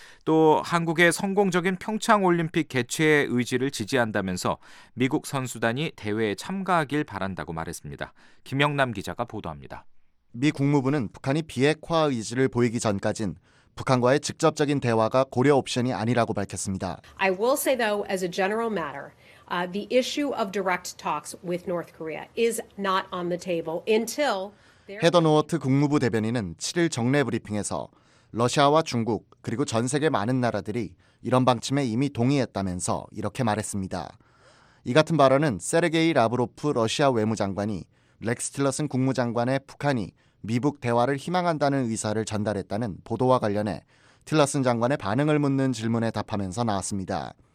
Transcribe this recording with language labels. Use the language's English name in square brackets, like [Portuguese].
[Korean] 또 한국의 성공적인 평창올림픽 개최 의지를 지지한다면서 미국 선수단이 대회에 참가하길 바란다고 말했습니다. 김영남 기자가 보도합니다. 미 국무부는 북한이 비핵화 의지를 보이기 전까진 북한과의 직접적인 대화가 고려 옵션이 아니라고 밝혔습니다. [English] I will say though as a general matter, the issue of direct talks with North Korea is not on the table until [Korean] 헤더 노어트 국무부 대변인은 7일 정례 브리핑에서 러시아와 중국 그리고 전 세계 많은 나라들이 이런 방침에 이미 동의했다면서 이렇게 말했습니다. 이 같은 발언은 세르게이 라브로프 러시아 외무장관이 렉스 틸러슨 국무장관의 북한이 미북 대화를 희망한다는 의사를 전달했다는 보도와 관련해 틸러슨 장관의 반응을 묻는 질문에 답하면서 나왔습니다.